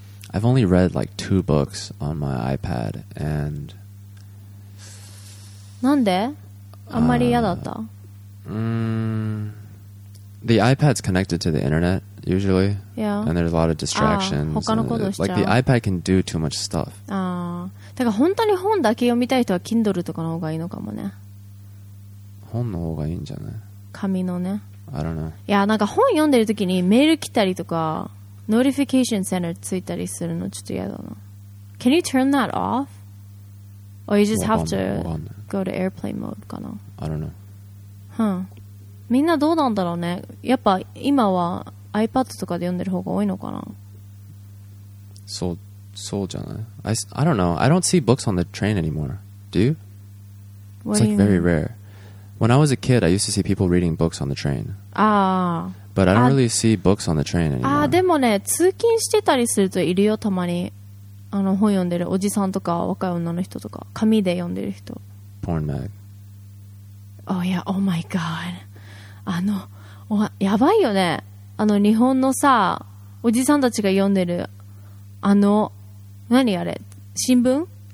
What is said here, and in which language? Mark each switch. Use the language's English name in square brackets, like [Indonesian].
[English] I've only read like two books on my iPad and [Japanese] なんで？あんまり嫌だった？ [English] The iPad's connected to the internet usually. Yeah. And there's a lot of distractions. [Japanese] 他のことしちゃう。 [English] Like the iPad can do too much stuff. [Japanese] だから本当に本だけ読みたい人は Kindle とかの方がいいのかもね。本の方がいいんじゃない？紙のね。 [English] I don't know. [Japanese] いやなんか本読んでる時にメール来たりとかノーティフィケーションセンターついたりするのちょっと嫌だな。 [English] Can you turn that off? Or you just have to go to airplane mode [Japanese] かな。 [English] I don't know. [Japanese] みんなどうなんだろうね。やっぱ今は iPad とかで読んでる方が多いのかな。そうじゃない。 [English] I don't know. I don't see books on the train anymore. Do you? What it's like you very rare. When I was a kid, I used to see people reading books on the train. But I don't really see books on the train anymore. [Japanese] でもね、通勤してたりするといるよ、たまに。あの、本読んでるおじさんとか若い女の人とか、紙で読んでる人。 [English] Porn mag. Oh yeah, oh my god. [Japanese] あの、やばいよね。あの、日本のさ、おじさんたちが読んでる、あの、何あれ、新聞？